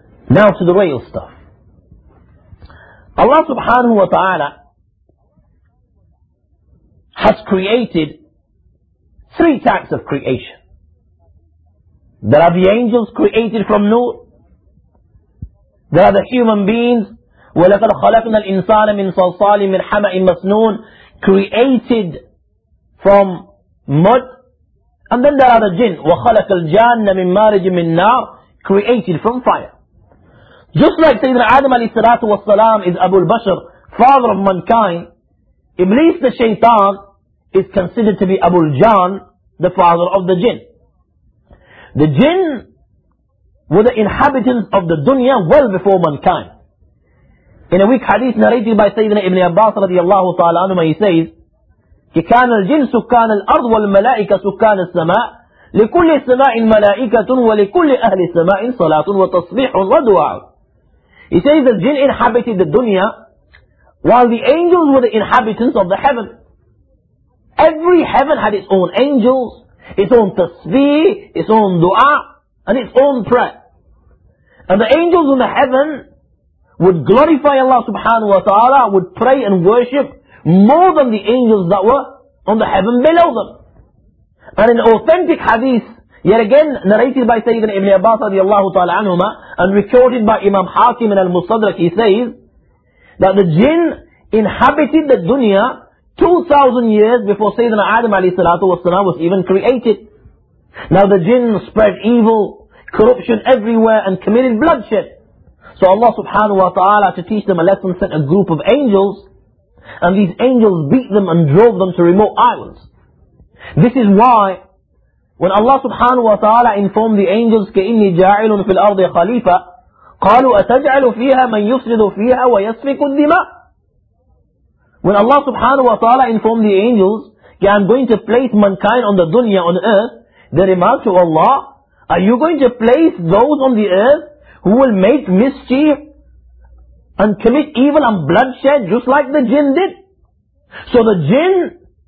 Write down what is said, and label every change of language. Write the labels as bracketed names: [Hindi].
[English] Now to the real stuff. Allah subhanahu wa ta'ala has created three types of creation. There are the angels created from nur. There are the human beings. [Arabic] وَلَقَدْ خَلَقْنَا الْإِنسَانَ مِنْ صَلْصَالٍ مِنْ حَمَئٍ مَسْنُونَ, [English] created from mud. And then there are the jinn. [Arabic] وَخَلَقَ الْجَانَّ مِنْ مَارِجٍ مِنْ نَارٍ, [English] created from fire. Just like Sayyidina Adam alayhi salatu wasalam is Abu al-Bashr, father of mankind, Iblis the shaitan is considered to be Abu al-Jan, the father of the jinn. The jinn were the inhabitants of the dunya well before mankind. In a weak hadith narrated by Sayyidina Ibn Abbas radiallahu ta'ala anhumah, he says, [Arabic] كَكَانَ الْجِنْ سُكَّانَ الْأَرْضِ وَالْمَلَائِكَ سُكَّانَ السَّمَاءِ لِكُلِّ سَمَاءٍ مَلَائِكَةٌ وَلِكُلِّ أَهْلِ السَّمَاءٍ صَلَاةٌ وَتَصْبِيحٌ وَدُعَاءٌ. [English] He says the jinn inhabited the dunya while the angels were the inhabitants of the heaven. Every heaven had its own angels, its own tasbih, its own dua, and its own prayer. And the angels in the heaven would glorify Allah subhanahu wa ta'ala, would pray and worship more than the angels that were on the heaven below them. And in authentic hadith, yet again narrated by Sayyidina Ibn Abbas radiallahu ta'ala anhuma, and recorded by Imam Hakim in Al-Mustadrak, he says that the jinn inhabited the dunya 2,000 years before Sayyidina Adam alayhi salatu wasalam was even created. Now the jinn spread evil, corruption everywhere, and committed bloodshed. So Allah subhanahu wa ta'ala, to teach them a lesson, sent a group of angels, and these angels beat them and drove them to remote islands. This is why, when Allah subhanahu wa ta'ala informed the angels, [Arabic] كَإِنِّي جَاعِلٌ فِي الْأَرْضِ خَلِيفَةٌ قَالُوا أَتَجْعَلُ فِيهَا مَنْ يُفْسِدُ فِيهَا وَيَسْفِكُ الدِّمَاءُ. [English] When Allah subhanahu wa ta'ala informed the angels, yeah, I'm going to place mankind on the dunya, on earth, they remarked to Allah, are you going to place those on the earth who will make mischief and commit evil and bloodshed just like the jinn did? So the jinn